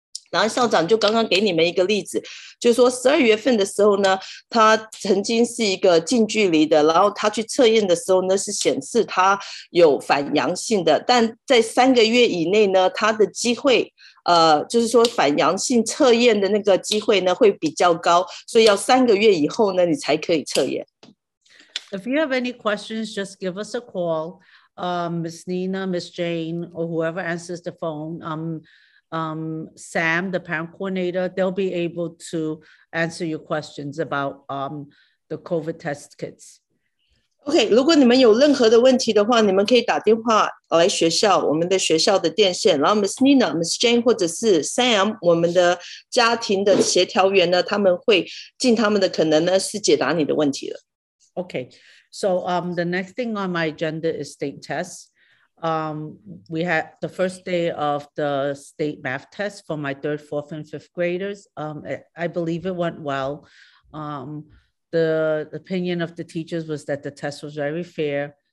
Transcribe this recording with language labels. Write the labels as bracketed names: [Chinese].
[Chinese] 然后校长就刚刚给你们一个例子，就是说十二月份的时候呢，他曾经是一个近距离的，然后他去测验的时候呢，是显示他有反阳性的，但在三个月以内呢，他的机会就是说反阳性测验的那个机会呢会比较高，所以要三个月以后呢，你才可以测验。 [English] If you have any questions, just give us a call, Miss Nina, Miss Jane, or whoever answers the phone, Sam, the parent coordinator, they'll be able to answer your questions about the COVID test kits. [Chinese] OK, 如果你们有任何的问题的话，你们可以打电话来学校，我们的学校的电线，然后 Miss Nina, Miss Jane, 或者是 Sam, 我们的家庭的协调员呢，他们会尽他们的可能呢，是解答你的问题了。 [English] OK, so the next thing on my agenda is state tests. We had the first day of the state math test for my third, fourth, and fifth graders. I believe it went well. The opinion of the teachers was that the test was very fair.